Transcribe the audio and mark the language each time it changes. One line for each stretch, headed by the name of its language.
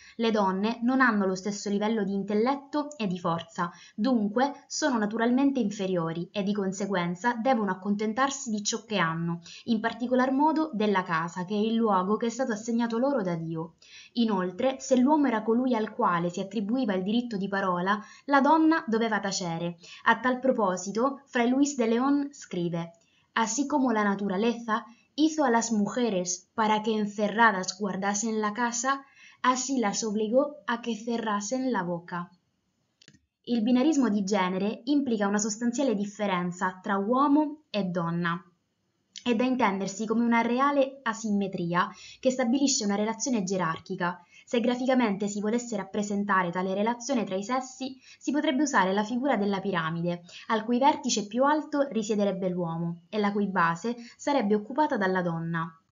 Italian: Le donne non hanno lo stesso livello di intelletto e di forza, dunque sono naturalmente inferiori e di conseguenza devono accontentarsi di ciò che hanno, in particolar modo della casa, che è il luogo che è stato assegnato loro da Dio. Inoltre, se l'uomo era colui al quale si attribuiva il diritto di parola, la donna doveva tacere. A tal proposito, Fray Luis de León scrive:
Spanish: Así como la naturaleza hizo a las mujeres para que encerradas guardasen la casa, así las obligó a que cerrasen la boca.
Italian: Il binarismo di genere implica una sostanziale differenza tra uomo e donna. È da intendersi come una reale asimmetria che stabilisce una relazione gerarchica. Se graficamente si volesse rappresentare tale relazione tra i sessi, si potrebbe usare la figura della piramide, al cui vertice più alto risiederebbe l'uomo e la cui base sarebbe occupata dalla donna.